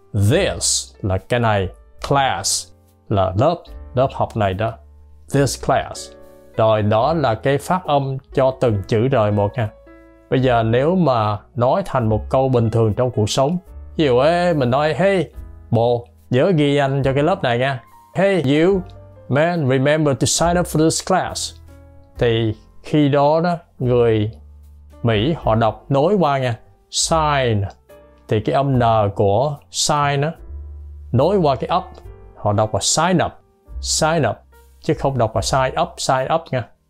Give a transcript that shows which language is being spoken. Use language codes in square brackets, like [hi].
[vi] This là cái này, class là lớp, lớp học này đó. [en] This class. [vi] Rồi đó là cái phát âm cho từng chữ rồi một nha. Bây giờ nếu mà nói thành một câu bình thường trong cuộc sống, ví dụ ấy, mình nói hey, bộ nhớ ghi danh cho cái lớp này nha. [en] Hey, you, man, remember to sign up for this class. [vi] Thì khi đó đó, người Mỹ họ đọc nối qua nha. Sign thì cái âm N của sign á nối qua cái up, họ đọc là sign up chứ không đọc là sign up nha.